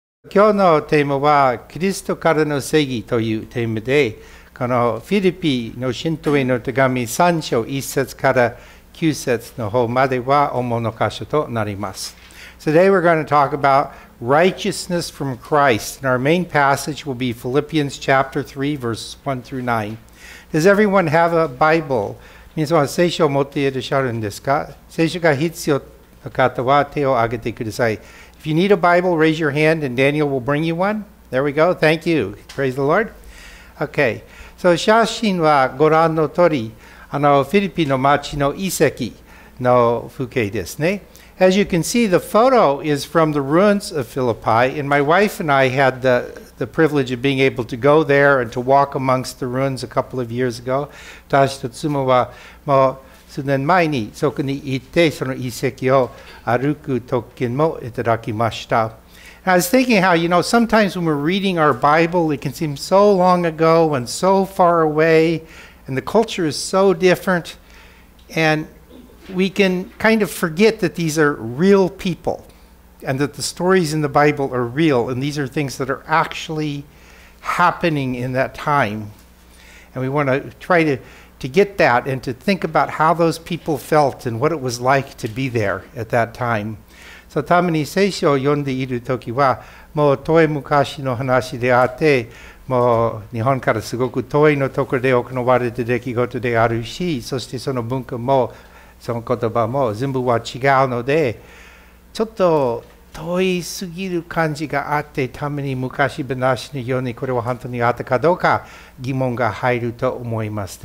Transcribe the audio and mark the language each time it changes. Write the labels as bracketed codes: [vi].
[ja] 今日のテーマはキリストからの正義というテーマで、このフィリピの信徒への手紙3章1節から9節の方までは主の箇所となります。 [en] Today we're going to talk about righteousness from Christ. And our main passage will be Philippians chapter 3 verses 1 through 9. Does everyone have a Bible? [ja] 皆さんは聖書を持っていらっしゃるんですか？聖書が必要な方は手を挙げてください。 [en] If you need a Bible, raise your hand and Daniel will bring you one. There we go. Thank you. Praise the Lord. Okay. [ja] So, 写真はご覧の通り、フィリピの町の遺跡の風景ですね。 [en] As you can see, the photo is from the ruins of Philippi, and my wife and I had the privilege of being able to go there and to walk amongst the ruins a couple of years ago. [ja] 私と妻はもう数年前にそこに行って、その遺跡を歩く時もいただきました。 [en] And I was thinking how, you know, sometimes when we're reading our Bible, it can seem so long ago and so far away, and the culture is so different, and we can kind of forget that these are real people, and that the stories in the Bible are real, and these are things that are actually happening in that time. And we want to try to get that and to think about how those people felt and what it was like to be there at that time. [ja] So, たまに聖書を読んでいるときは、もう遠い昔の話であって、もう日本からすごく遠いのところで行われた出来事であるし、そしてその文化も、その言葉も全部は違うので、ちょっと遠いすぎる感じがあって、たまに昔話のようにこれは本当にあったかどうか疑問が入ると思います。